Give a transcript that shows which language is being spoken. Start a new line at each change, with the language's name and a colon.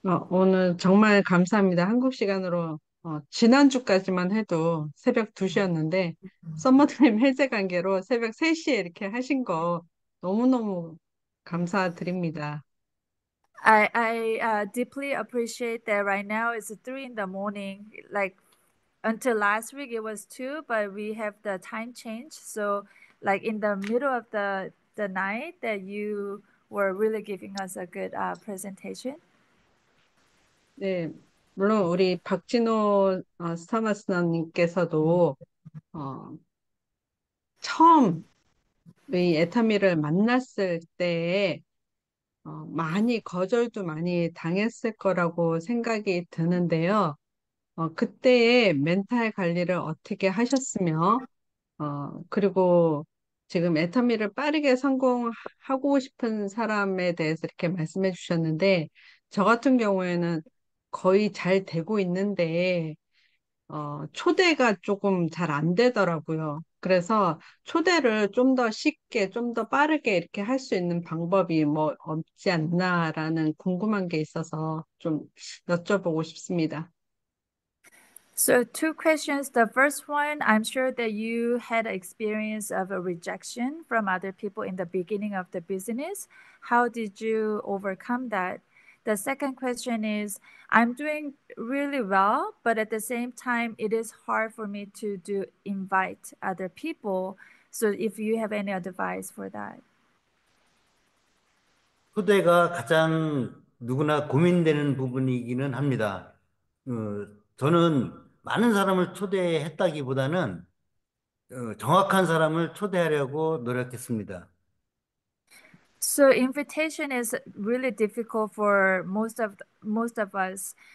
Korean: 오늘 정말 감사합니다. 한국 시간으로 지난주까지만 해도 새벽 2시였는데 썸머드림 해제 관계로 새벽 3시에 이렇게 하신 거 너무너무 감사드립니다.
English: I deeply appreciate that right now it's 3 in the morning. Like until last week it was 2, but we have the time change. So like in the middle of the night that you were really giving us a good presentation.
Korean: 네, 물론 우리 박진호 스타마스터님께서도 처음 이 애터미를 만났을 때에 많이 거절도 많이 당했을 거라고 생각이 드는데요. 그때의 멘탈 관리를 어떻게 하셨으며 그리고 지금 애터미를 빠르게 성공하고 싶은 사람에 대해서 이렇게 말씀해 주셨는데 저 같은 경우에는 거의 잘 되고 있는데 초대가 조금 잘안 되더라고요. 그래서 초대를 좀더 쉽게 좀더 빠르게 이렇게 할수 있는 방법이 뭐 없지 않나라는 궁금한 게 있어서 좀 여쭤보고 싶습니다.
English: So two questions. The first one, I'm sure that you had an experience of a rejection from other people in the beginning of the business. How did you overcome that? The second question is, I'm doing really well, but at the same time, it is hard for me to do invite other people. So if you have any advice for that.
Korean: 초대가 가장 누구나 고민되는 부분이기는 합니다. 저는 많은 사람을 초대했다기보다는 정확한 사람을 초대하려고 노력했습니다.
English: So invitation is really difficult for most of us.